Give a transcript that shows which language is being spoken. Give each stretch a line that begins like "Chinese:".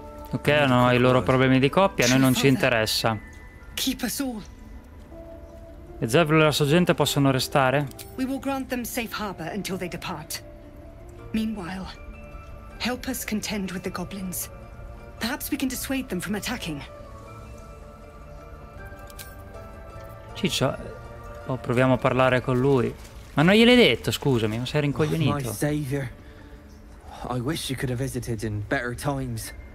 Italian: Ok, no, i loro problemi di coppia, a noi non ci interessa. E Zev e la sua gente possono restare?
English: We will grant them safe harbor until they depart. Meanwhile, help us contend with the goblins. Perhaps we can dissuade them from attacking.
Italian: Ciccio, proviamo a parlare con lui. Ma non gliel'hai detto, scusami, non sei rincoglionito.
English: Oh, my savior. I wish you could have visited in better times.